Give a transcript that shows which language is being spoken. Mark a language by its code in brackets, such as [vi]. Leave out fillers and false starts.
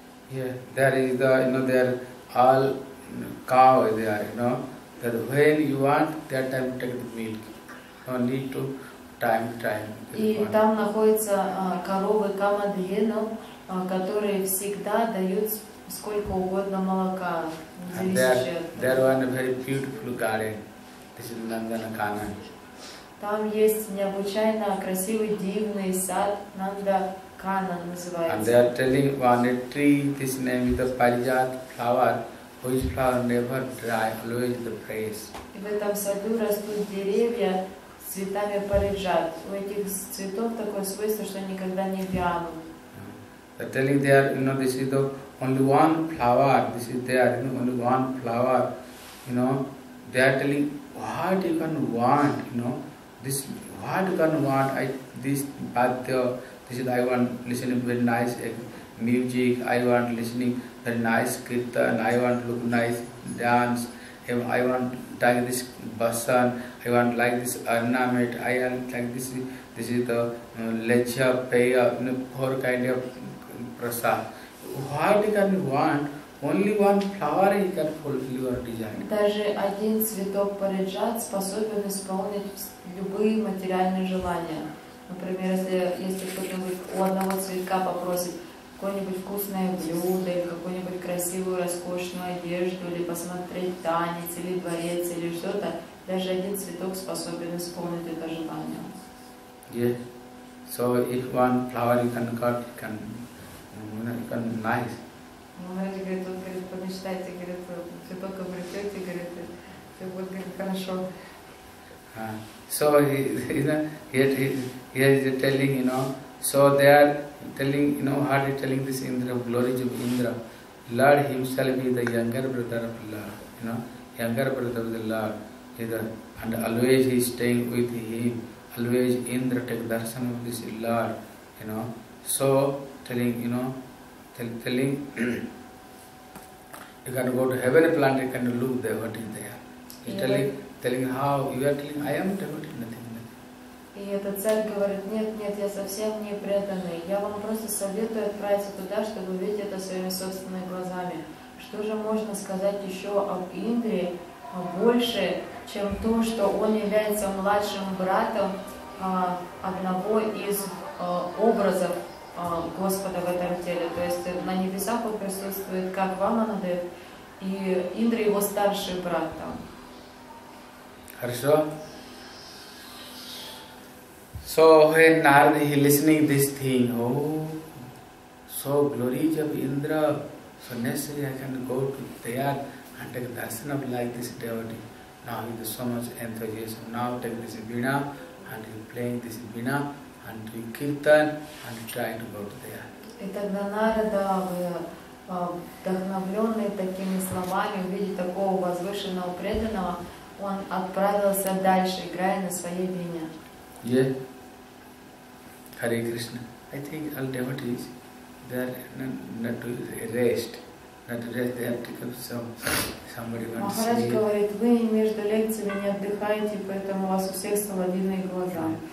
[en] Yeah, there is the, you know, there all cow there, you know. That when you want, that time take the milk. No need to time. [ru] И там находятся коровы камадьено, которые всегда дают сколько угодно молока. [en] There one very beautiful garden. This is Nandana Kanan. [ru] Там есть необычайно красивый дивный сад Нанда. [en] And they are telling one a tree, this name is the Parijat flower, which flower never dry, always the praise. In [ru] этом саду растут деревья с цветами Парижат. У этих цветов такое свойство, что никогда не вянут. [en] They are telling they are, you know, this is the only one flower, this is there, you know, only one flower, you know. They are telling what you can want, you know, this, what you can want, this Bhadya. He said, I want listening very nice music, I want listening very nice kirtan, I want look nice dance, I want like this basan, I want like this ornament, I want like this, this is the lecha, paya, four kind of prasad. What can you want? Only one flower you can fulfill your desire. [ru] Даже один цветок Париджат способен исполнить любые материальные желания. Например, если кто-то у одного цветка попросит какое-нибудь вкусное блюдо, или какую-нибудь красивую, роскошную одежду, или посмотреть танец, или дворец, или что-то, даже один цветок способен исполнить это желание. [en] Yeah. So if one flower you can cut, you can nice. [ru] Мамаджи говорит, он говорит, помечтайте, говорит, цветок обретете, говорит, все будет, говорит, хорошо. [en] So he is telling, you know, so they are telling, you know, hardly telling this Indra, glories of Indra. Lord himself is the younger brother of Lord, you know, younger brother of the Lord, either, and always he is staying with him, always Indra take darshan of this Lord, you know. So telling, you know, telling, you can go to heaven planet, you can look there, what is there. Telling how you are telling, I am devotee, nothing. [ru] И этот царь говорит, нет, я совсем не преданный. Я вам просто советую отправиться туда, чтобы видеть это своими собственными глазами. Что же можно сказать еще об Индре больше, чем то, что он является младшим братом одного из образов Господа в этом теле? То есть на небесах он присутствует как Ваманадев, и Индра его старший брат там. Хорошо. [en] So when Narada he listening this thing, oh, so glories of Indra, so necessary I can go to there and take darshan of like this devotee. Now with so much enthusiasm, now take this Veena and he playing this Veena and doing kirtan and trying to go to there. [ru] И тогда Нарада, вдохновленный такими словами, увидев такого возвышенного преданного, он отправился дальше, играя на своей вине. [en] Yeah. Hare Krishna. I think all devotees, they are not to rest. Not to rest, they have to come to somebody wants to see. [ru] Махарадж говорит, вы между лекциями не отдыхаете, поэтому у вас у всех свободные глаза.